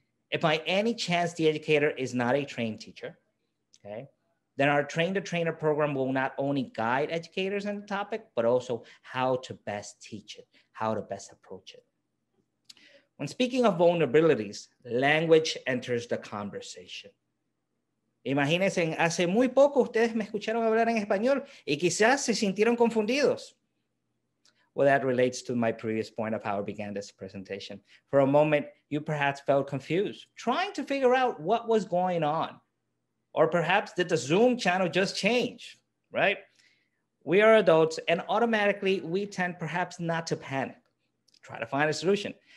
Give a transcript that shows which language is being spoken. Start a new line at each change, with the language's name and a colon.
English: If by any chance the educator is not a trained teacher, okay, then our train-to-trainer program will not only guide educators on the topic, but also how to best teach it, how to best approach it. When speaking of vulnerabilities, language enters the conversation.
Spanish: Imagínense, hace muy poco ustedes me escucharon hablar en español y quizás se sintieron confundidos.
English: Well, that relates to my previous point of how I began this presentation. For a moment, you perhaps felt confused, trying to figure out what was going on. Or perhaps did the Zoom channel just change, right? We are adults and automatically we tend perhaps not to panic, try to find a solution.